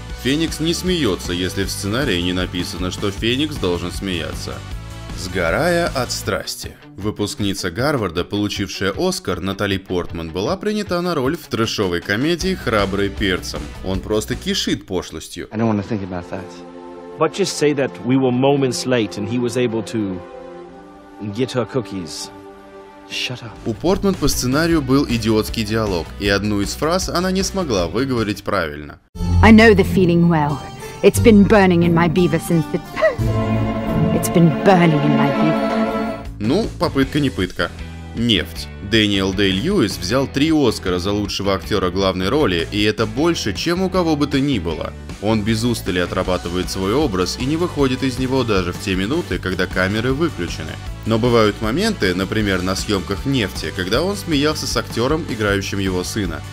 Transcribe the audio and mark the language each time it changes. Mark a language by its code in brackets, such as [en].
[ru] Феникс не смеется, если в сценарии не написано, что Феникс должен смеяться. Сгорая от страсти. Выпускница Гарварда, получившая Оскар, Натали Портман, была принята на роль в трэшовой комедии «Храбрый перцем». Он просто кишит пошлостью. [en] I don't want to think about that. But just say that we were moments late and he was able to get her cookies. [ru] У Портман по сценарию был идиотский диалог, и одну из фраз она не смогла выговорить правильно. [en] I know the feeling well. It's been burning in my beaver since the... It's been burning in my beaver. [ru] Ну, попытка не пытка. Нефть. Дэниел Дэй-Льюис взял 3 Оскара за лучшего актера главной роли, и это больше, чем у кого бы то ни было. Он без устали отрабатывает свой образ и не выходит из него даже в те минуты, когда камеры выключены. Но бывают моменты, например, на съемках «Нефти», когда он смеялся с актером, играющим его сына.